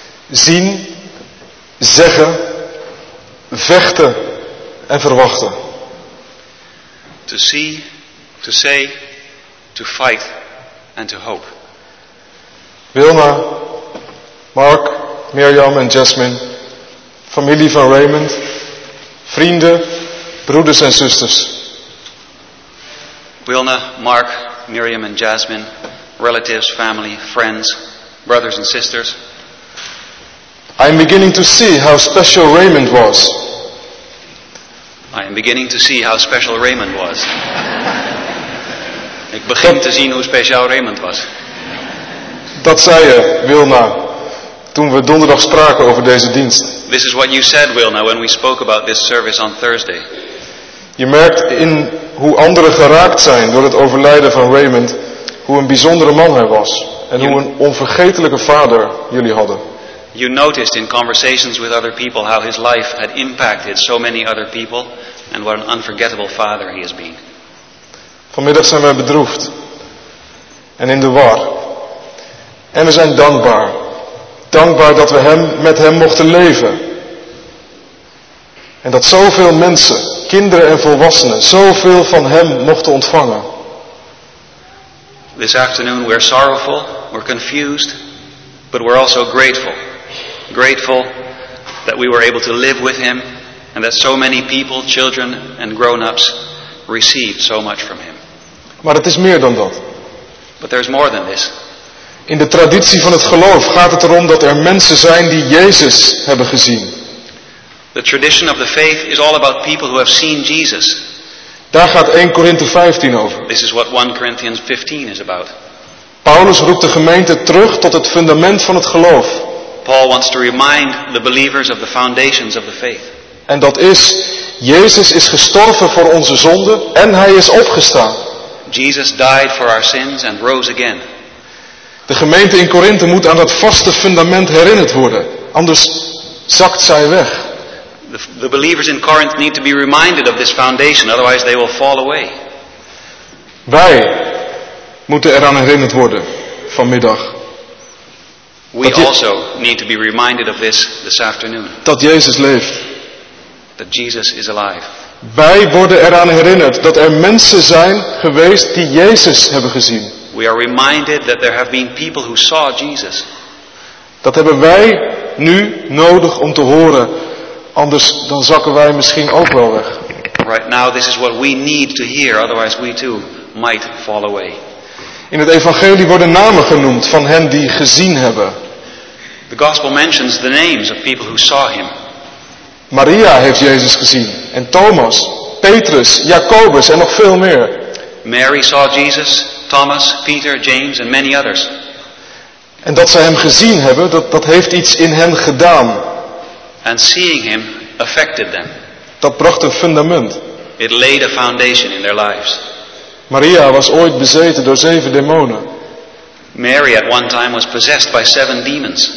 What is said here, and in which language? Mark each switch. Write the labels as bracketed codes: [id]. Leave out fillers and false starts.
[nl] Zien, zeggen, vechten en verwachten. [en] To see, to say, to fight and to hope. [nl] Wilma, Mark, Mirjam en Jasmine, familie van Raymond, vrienden, broeders en zusters. [en] Wilma, Mark, Mirjam en Jasmine, relatives, family, friends, brothers and sisters. I am beginning to see how special Raymond was. I am beginning to see how special Raymond was. [nl] Ik begin te zien hoe speciaal Raymond was. Dat zei je, Wilma, toen we donderdag spraken over deze dienst. [en] This is what you said, Wilma, when we spoke about this service on Thursday. [nl] Je merkt in hoe anderen geraakt zijn door het overlijden van Raymond, hoe een bijzondere man hij was en hoe een onvergetelijke vader jullie hadden. [en] You noticed in conversations with other people how his life had impacted so many other people and what an unforgettable father he has been. [nl] Vanmiddag zijn wij bedroefd en in de war. En we zijn dankbaar. Dankbaar dat we hem met hem mochten leven. En dat zoveel mensen, kinderen en volwassenen, zoveel van hem mochten ontvangen. [en] This afternoon we're sorrowful, we're confused, but we're also grateful. Grateful that we were able to live with him and that so many people, children and grown-ups, received so much from him. [nl] Maar het is meer dan dat. [en] But there's more than this. [nl] In de traditie van het geloof gaat het erom dat er mensen zijn die Jezus hebben gezien. [en] The tradition of the faith is all about people who have seen Jesus. [nl] Daar gaat 1 Korinthe 15 over. [en] This is what 1 Corinthians 15 is about. [nl] Paulus roept de gemeente terug tot het fundament van het geloof. [en] Paul wants to remind the believers of the foundations of the faith. [nl] En dat is, Jezus is gestorven voor onze zonden en hij is opgestaan. [en] Jesus died for our sins and rose again. [nl] De gemeente in Korinthe moet aan dat vaste fundament herinnerd worden, anders zakt zij weg. [en] The believers in Corinth need to be reminded of this foundation, otherwise they will fall away. [nl] Wij moeten eraan herinnerd worden vanmiddag. [en] We also need to be reminded of this afternoon. [nl] Dat Jezus leeft. [en] That Jesus is alive. [nl] Wij worden eraan herinnerd dat er mensen zijn geweest die Jezus hebben gezien. [en] We are reminded that there have been people who saw Jesus. [nl] Dat hebben wij nu nodig om te horen. Anders dan zakken wij misschien ook wel weg. [en] Right now this is what we need to hear, otherwise we too might fall away. [nl] In het evangelie worden namen genoemd van hen die gezien hebben. [en] The gospel mentions the names of people who saw him. [nl] Maria heeft Jezus gezien en Thomas, Petrus, Jacobus en nog veel meer. [en] Mary saw Jesus, Thomas, Peter, James and many others. [nl] En dat ze hem gezien hebben, dat heeft iets in hen gedaan. [en] And seeing him affected them. [nl] Dat bracht een fundament. [en] It laid a foundation in their lives. [nl] Maria was ooit bezeten door 7 demonen. [en] Mary at one time was possessed by 7 demons.